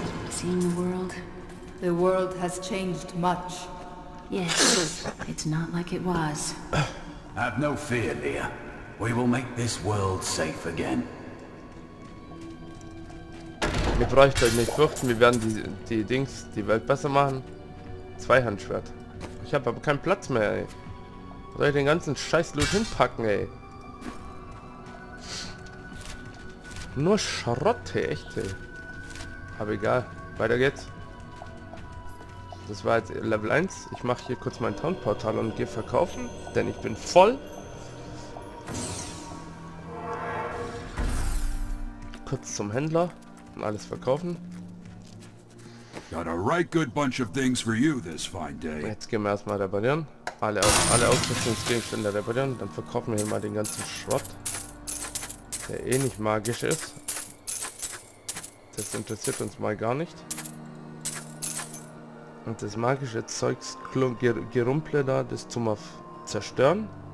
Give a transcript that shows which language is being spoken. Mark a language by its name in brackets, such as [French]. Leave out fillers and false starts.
[English] Seeing the world has changed much. Yes, it's not like it was. Have no fear, Leah. We will make this world safe again. [German] Ihr braucht euch nicht fürchten, wir werden die Dings, die Welt besser machen. Zweihandschwert. Ich habe aber keinen Platz mehr, ey. Soll ich den ganzen Scheiß-Loot hinpacken, ey? Nur Schrotte, echte. Aber egal. Weiter geht's. Das war jetzt Level 1. Ich mache hier kurz mein Townportal und gehe verkaufen, denn ich bin voll. Kurz zum Händler und alles verkaufen. [English] Got a right good bunch of things for you this fine day. [German] Jetzt gehen wir erstmal reparieren. Alle Ausrüstungsgegenstände reparieren. Dann verkaufen wir hier mal den ganzen Schrott, der eh nicht magisch ist. Das interessiert uns mal gar nicht. Und das magische Zeugs Gerumple da, das zum auf zerstören.